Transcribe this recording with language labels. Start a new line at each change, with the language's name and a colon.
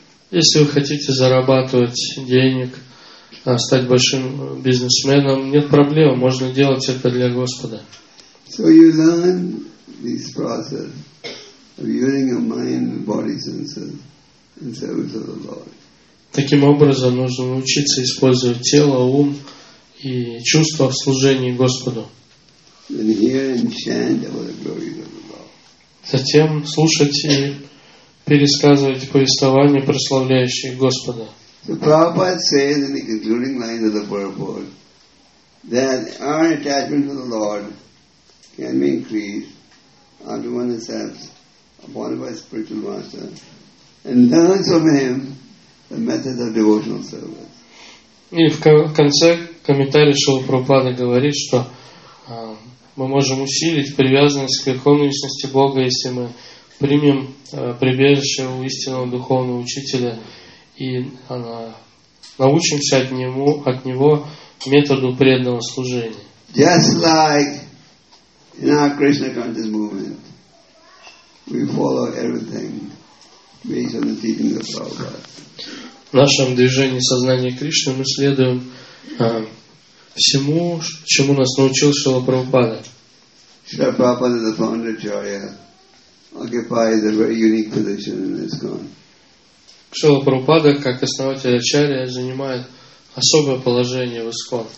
Russian: Если вы хотите зарабатывать денег, стать большим бизнесменом, нет проблем, можно делать это для Господа.
English: So you learn this process of using your mind, body, senses in service of the Lord.
Russian: Таким образом, нужно научиться использовать тело, ум и чувства в служении Господу.
English: And hear and chant about the glory of the Lord.
Russian: Затем слушать и пересказывать повествования, прославляющие Господа.
English: So Prabhupada says in the concluding line of the purport that our attachment to the Lord can be increased after one accepts a bona fide spiritual master and learns from him the methods of devotional service.
Russian: И в конце комментарий Шрилы Прабхупады говорит, что мы можем усилить привязанность к верховной личности Бога, если мы примем прибежище у истинного духовного учителя и научимся от него методу преданного служения.
English: Just like In our Krishna conscious movement, we follow everything based on the teaching of Prabhupada.
Russian: В нашем движении сознания Кришны мы следуем всему, чему нас научил Шрила Прабхупада.
English: Шрила Прабхупада, the founder of Acharya, occupies a very unique position in this country.
Russian: Шрила Прабхупада, как основатель Ачарьи, занимает особое положение в Искон.